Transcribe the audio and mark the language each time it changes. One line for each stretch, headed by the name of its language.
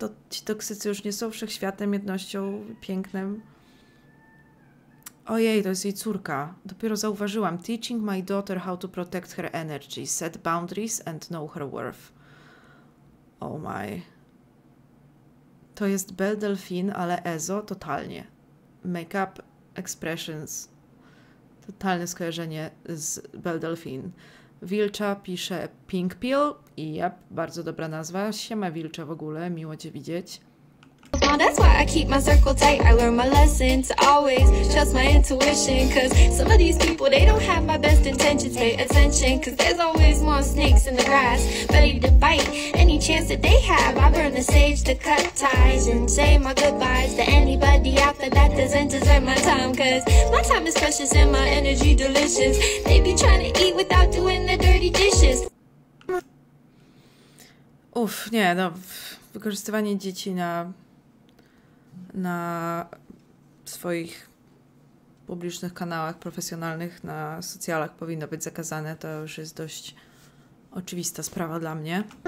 Polish: Ci toksycy już nie są wszechświatem, jednością, pięknem. Ojej, to jest jej córka. Dopiero zauważyłam.
English: Teaching my daughter how to protect her energy, set boundaries and know her worth. Oh my.
Polish: To jest Belle Delphine, ale Ezo totalnie.
English: Makeup, expressions.
Polish: Totalne skojarzenie z Belle Delphine. Wilcza pisze Pink Pill. I yep, bardzo dobra nazwa. Siema Wilcza w ogóle, miło cię widzieć.
English: Well, that's why I keep my circle tight. I learn my lessons, always trust my intuition. Cause some of these people, they don't have my best intentions. Pay attention, cause there's always more snakes in the grass, ready to bite any chance that they have. I burn the sage to cut ties and say my goodbyes to anybody out there that doesn't deserve my time. Cause my time is precious and my energy delicious. They be trying to eat without doing the dirty dishes.
Polish: Uff, nie, no, wykorzystywanie dzieci na swoich publicznych kanałach profesjonalnych, na socjalach powinno być zakazane. To już jest dość oczywista sprawa dla mnie.